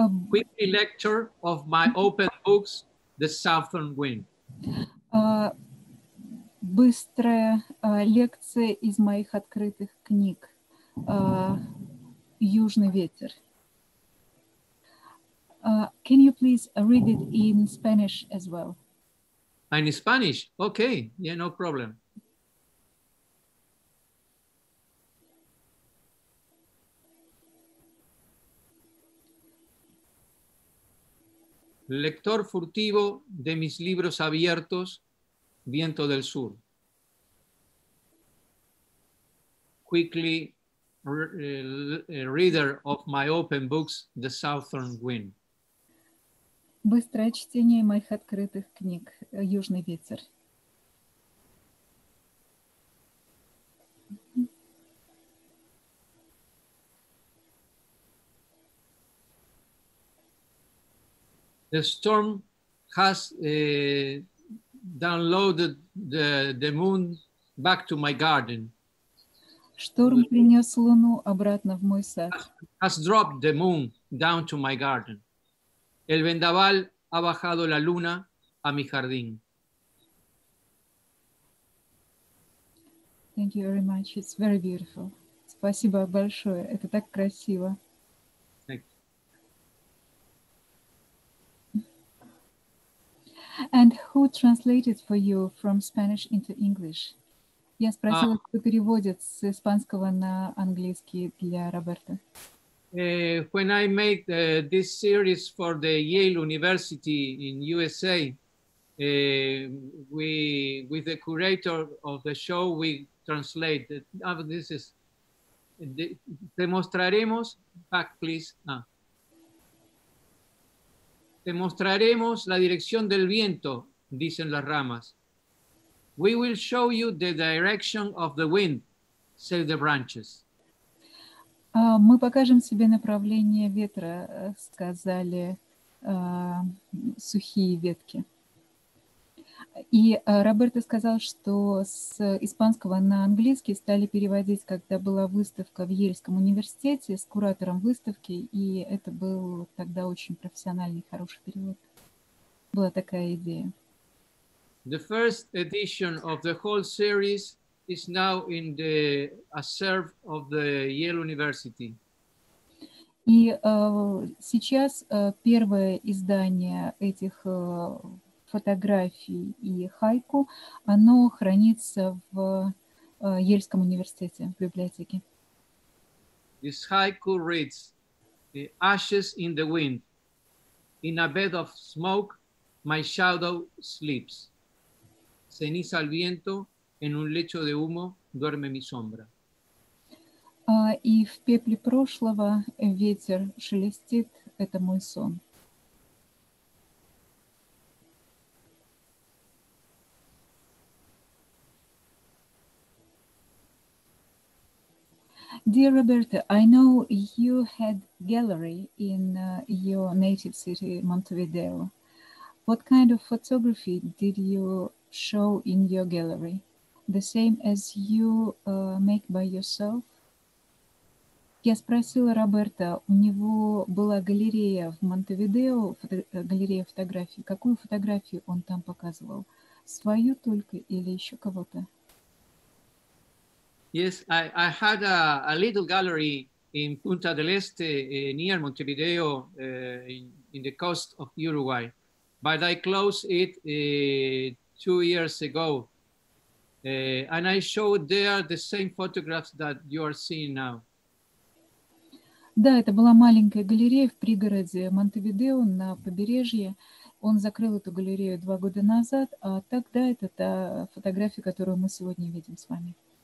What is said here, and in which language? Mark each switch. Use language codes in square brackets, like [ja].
[en] Quickly lecture of my open books, the southern wind. [ru] Быстрая лекция из моих открытых книг, южный ветер. [en] Can you please read it in Spanish as well? In Spanish? Okay, yeah, no problem. [es] Lector furtivo de mis libros abiertos, viento del sur. [en] Quickly, reader of my open books, the southern wind. [ru] Быстрое чтение моих открытых книг «Южный ветер». [en] The storm has downloaded the moon back to my garden. [ru] Шторм принес луну обратно в мой сад. [en] Has dropped the moon down to my garden. [es] El vendaval ha bajado la luna a mi jardín. [en] Thank you very much. It's very beautiful. [ru] Спасибо большое. Это так красиво. [en] Thank you. And who translated for you from Spanish into English? [ru] Я спросила, кто переводит с испанского на английский для Роберта. [en] When I made this series for the Yale University in USA, we, with the curator of the show, we translated. This is [es] Te mostraremos, [en] back please. [es] Te mostraremos la dirección del viento, dicen las ramas. [en] We will show you the direction of the wind, say the branches. [ru] Мы покажем себе направление ветра, сказали сухие ветки. И Роберто сказал, что с испанского на английский стали переводить, когда была выставка в Йельском университете с куратором выставки, и это был тогда очень профессиональный, хороший перевод. Была такая идея. [en] The first edition of the whole series is now in the acervo of the Yale University. [ru] И сейчас первое издание этих фотографий и хайку, оно хранится в Йельском университете, в библиотеке. [en] This haiku reads, the ashes in the wind, in a bed of smoke, my shadow sleeps. [es] Ceniza al viento, en un lecho de humo, duerme mi sombra. [ru] И в пепле прошлого ветер шелестит, это мой сон. [en] Dear Roberto, I know you had gallery in your native city, Montevideo. What kind of photography did you show in your gallery? The same as you make by yourself? [ru] Я спросила Роберто, у него была галерея в Монтевидео, галерея фотографий. Какую фотографию он там показывал? Свою только или еще кого-то? [en] Yes, I had a little gallery in Punta del Este, near Montevideo, in the coast of Uruguay. But I closed it 2 years ago. And I showed there the same photographs that you are seeing now. [ru] Да, это была маленькая галерея в пригороде Монтевидео на побережье. Он закрыл эту галерею 2 года назад, а тогда это та фотография, которую мы сегодня видим с вами.